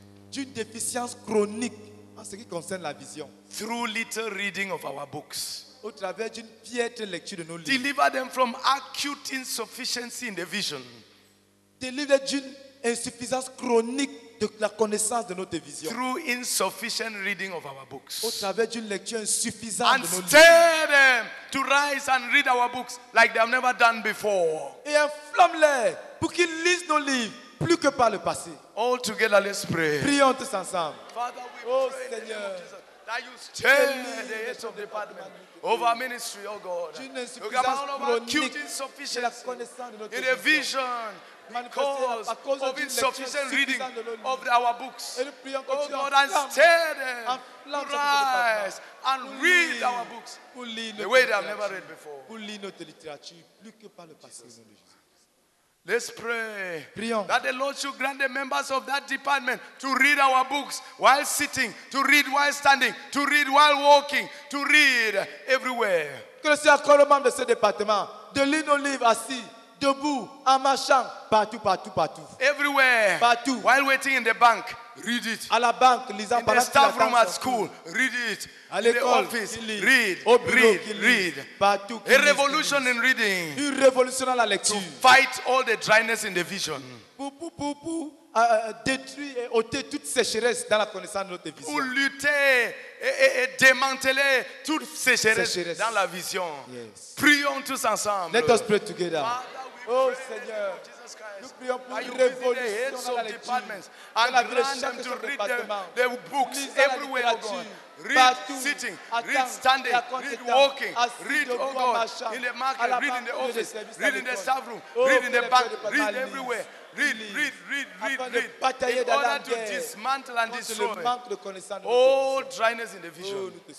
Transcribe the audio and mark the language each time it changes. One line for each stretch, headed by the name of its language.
French: D'une déficience chronique en ce qui concerne la vision.
English: Through little reading of our books.
French: Au travers d'une piètre lecture de nos livres.
English: Deliver them from acute insufficiency in the vision.
French: Délivre d'une insuffisance chronique de la connaissance de notre vision.
English: Through insufficient reading of our books.
French: Au travers d'une lecture insuffisante de nos livres.
English: And stir them to rise and read our books like they have never done before.
French: Et enflamme-les pour qu'ils lisent nos livres plus que par le passé.
English: All together, let's pray.
French: Prions tous ensemble.
English: Father, we pray.
French: Oh Seigneur.
English: That you stir the heads of the department over ministry, oh God. Look at all of our acute insufficiency in a vision because of insufficient reading of our books. Oh God, and stir them to rise and read our books the way they have never read before. Let's pray.
French: Prions.
English: That the Lord should grant the members of that department to read our books while sitting, to read while standing, to read while walking, to read everywhere.
French: Que le Seigneur accorde aux membres de ce département de lire nos livres assis, debout, en marchant, partout.
English: Everywhere.
French: Partout.
English: While waiting in the bank, read it.
French: À la banque, lisant pendant que tu attends.
English: In the staff room at school, read it.
French: À l'école,
English: read.
French: Partout.
English: A revolution in reading.
French: Une révolution dans la lecture.
English: To fight all the dryness in the vision.
French: Pour détruire et ôter toute sécheresse dans la connaissance de notre vision. Pour lutter et démanteler toute sécheresse dans la vision.
English: Yes.
French: Prions tous ensemble.
English: Let us pray together.
French: Oh Seigneur. Nous prions pour une révolution dans la lecture.
English: And grant them to read the books everywhere, oh God. Read sitting, read standing, read walking, read, oh God, in the market, read in the office, read in the staff room, read in the bank, read everywhere. Read. In order to dismantle and destroy all dryness in the vision.